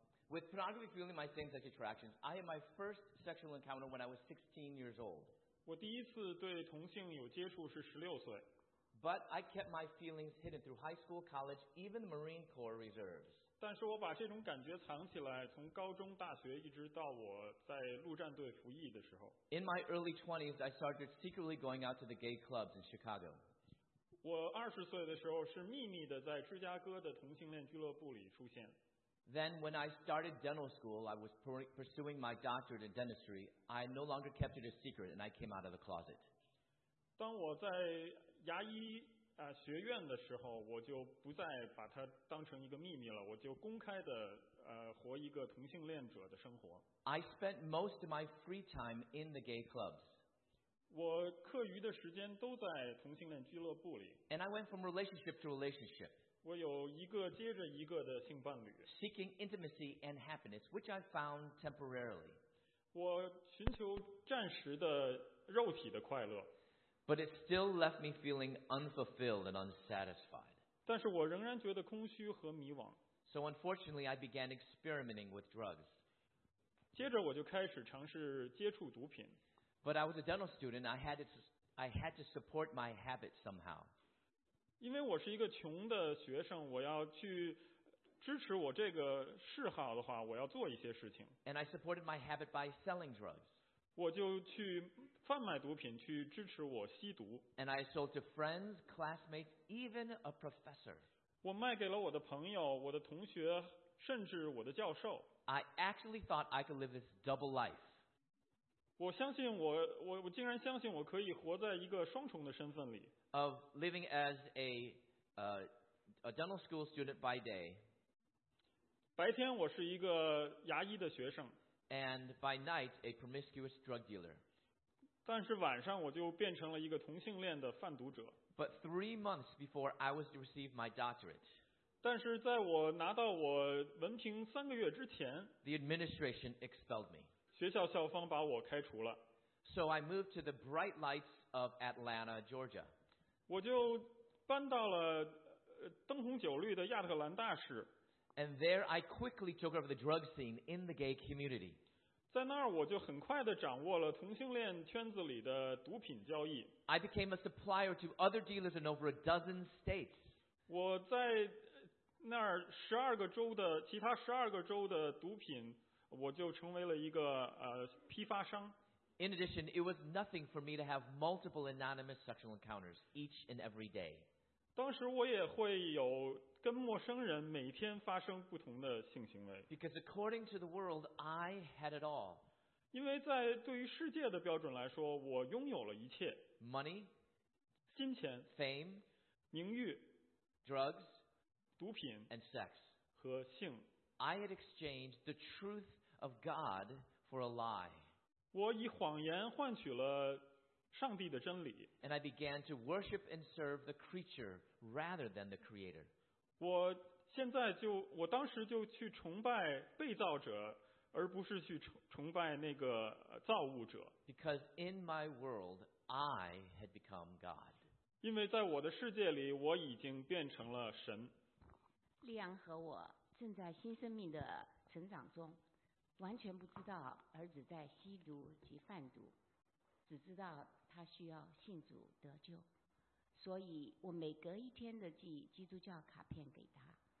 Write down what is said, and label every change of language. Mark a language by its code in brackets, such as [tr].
[en] With pornography fueling my same-sex attractions, I had my first sexual encounter when I was 16 years old. [zh] 我第一次对同性有接触是16岁。 [en] But I kept my feelings hidden through high school, college, even the Marine Corps reserves. [zh] 但是我把这种感觉藏起来，从高中、大学一直到我在陆战队服役的时候。 [en] In my early 20s, I started secretly going out to the gay clubs in Chicago. [zh] 我20岁的时候是秘密的在芝加哥的同性恋俱乐部里出现。 [en] Then when I started dental school, I was pursuing my doctorate in dentistry. I no longer kept it a secret, and I came out of the closet. [zh] 当我在牙医学院的时候，我就不再把它当成一个秘密了，我就公开的活一个同性恋者的生活。 [en] I spent most of my free time in the gay clubs. [zh] 我课余的时间都在同性恋俱乐部里。 [en] And I went from relationship to relationship. [zh] 我有一个接着一个的性伴侣。 [en] Seeking intimacy and happiness, which I found temporarily. [zh] 我寻求暂时的肉体的快乐。 [en] But it still left me feeling unfulfilled and unsatisfied. [zh] 但是我仍然觉得空虚和迷惘。 [en] So unfortunately, I began experimenting with drugs. [zh] 接着我就开始尝试接触毒品。 [en] But I was a dental student, I had to support my habit somehow. [zh] 因为我是一个穷的学生，我要去支持我这个嗜好的话，我要做一些事情。 [en] And I supported my habit by selling drugs. [zh] 我就去贩卖毒品去支持我吸毒。 [en] And I sold to friends, classmates, even a professor. [zh] 我卖给了我的朋友，我的同学，甚至我的教授。 [en] I actually thought I could live this double life. [zh] 我相信我竟然相信我可以活在一个双重的身份里。 [en] Of living as a dental school student by day. [zh] 白天我是一个牙医的学生。 [en] And by night, a promiscuous drug dealer. [zh] 但是晚上我就变成了一个同性恋的贩毒者。 [en] But 3 months before I was to receive my doctorate. [zh] 但是在我拿到我文凭3个月之前 [en] ，the administration expelled me. [zh] 学校校方把我开除了。 [en] So I moved to the bright lights of Atlanta, Georgia. [zh] 我就搬到了灯红酒绿的亚特兰大市。 [en] And there I quickly took over the drug scene in the gay community. [zh] 在那儿我就很快地掌握了同性恋圈子里的毒品交易。 [en] I became a supplier to other dealers in over a dozen states. [zh] 我在那儿其他12个州的毒品，我就成为了一个批发商。 [en] In addition, it was nothing for me to have multiple anonymous sexual encounters each and every day. [zh] 当时我也会有跟陌生人每天发生不同的性行为。 [en] Because according to the world, I had it all. [zh] 因为在对于世界的标准来说，我拥有了一切。 [en] Money, [zh] 金钱。 [en] Fame, [zh] 名誉。 [en] Drugs, [zh] 毒品。 [en] And sex, [zh] 和性。 [en] I had exchanged the truth of God for a lie. [zh] 我以谎言换取了上帝的真理。 [en] And I began to worship and serve the creature rather than the creator. [zh] 我现在就，我当时就去崇拜被造者，而不是去崇拜那个造物者。 [en] Because in my world, I had become God. [zh] 因为在我的世界里，我已经变成了神。莉安和我正在新生命的成长中，完全不知道儿子在吸毒及贩毒，只知道他需要信主得救。所以我每隔一天的寄基督教卡片给他，